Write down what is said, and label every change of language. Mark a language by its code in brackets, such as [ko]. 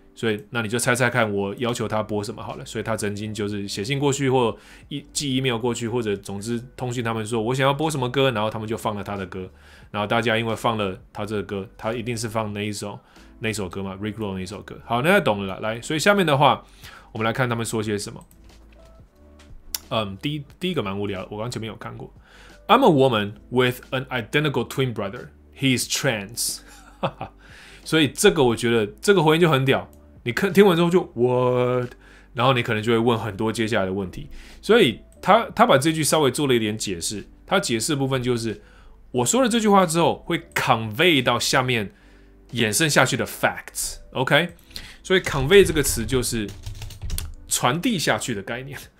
[zh] 所以那你就猜猜看，我要求他播什么好了。所以他曾经就是写信过去，或寄 email 过去，或者总之通讯他们说我想要播什么歌，然后他们就放了他的歌。然后大家因为放了他这个歌，他一定是放那一首歌嘛 ，Rickroll 那一首歌。好，那就懂了啦。来，所以下面的话，我们来看他们说些什么。第一个蛮无聊的，我刚前面有看过。 [en] I'm a woman with an identical twin brother. He's trans. [zh] 所以这个我觉得这个回应就很屌，你听完之后就 [en] what， [zh] 然后你可能就会问很多接下来的问题。所以他把这句稍微做了一点解释，他解释的部分就是我说了这句话之后会 convey 到下面衍生下去的 facts， OK， 所以 convey 这个词就是传递下去的概念。